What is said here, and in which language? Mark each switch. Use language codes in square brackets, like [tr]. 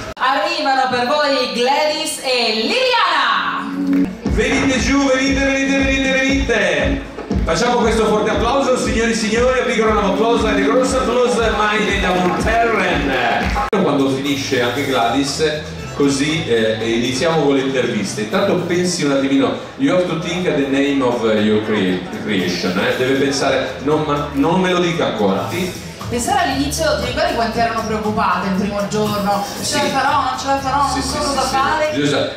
[it] Arrivano per voi Gladys e Liliana. Venite giù, venite, venite, venite, venite! Facciamo questo forte applauso, signori e signori, [en] a big round of applause, [it] a big round of applause, mai da Monterren! Quando finisce anche Gladys, così iniziamo con le interviste. Intanto pensi un attimino, [en] you have to think of the name of your creation, [it] eh? Deve pensare, non me lo dica ancora, ti... Pensare all'inizio, ti ricordi quanti erano preoccupate il primo giorno? Non ce la farò, non so cosa fare.